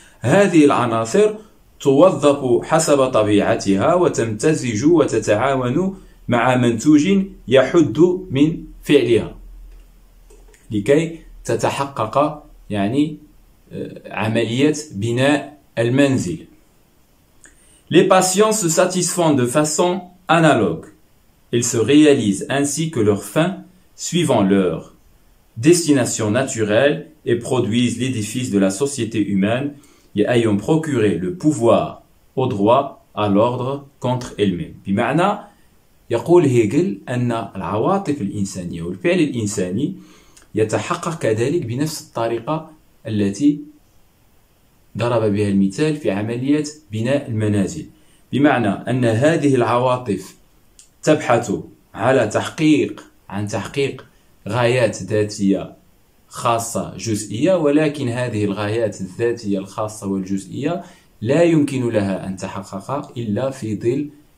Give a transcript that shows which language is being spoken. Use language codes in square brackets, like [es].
[ar] هذه العناصر توظف حسب طبيعتها وتمتزج وتتعاون مع منتوج يحد من فعلها لكي تتحقق يعني عملية بناء المنزل. [fr] Les passions se satisfont de façon analogue. Elles se réalisent ainsi que leur fin suivant leur destination naturelle et produisent l'édifice de la société humaine et ayant procuré le pouvoir au droit à l'ordre contre elle-même. [ar] بمعنى يقول هيجل أن العواطف الإنسانية والفعل الإنساني يتحقق كذلك بنفس الطريقة التي ضرب بها المثال في عملية بناء المنازل، بمعنى أن هذه العواطف تبحث على تحقيق عن تحقيق غايات ذاتية خاصة جزئية، ولكن هذه الغايات الذاتية الخاصة والجزئية لا يمكن لها أن تحقق إلا في ظل